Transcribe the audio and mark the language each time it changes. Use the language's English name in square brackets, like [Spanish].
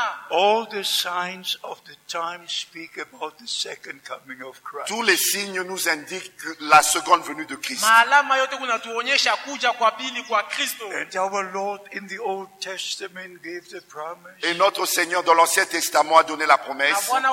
[English] All the signs of the time speak about the second coming of Christ. [French] Tous les signes nous indiquent la seconde venue de Christ. [English] And our Lord in the Old Testament gave the promise. [French] Et notre Seigneur dans l'Ancien Testament a donné la promesse.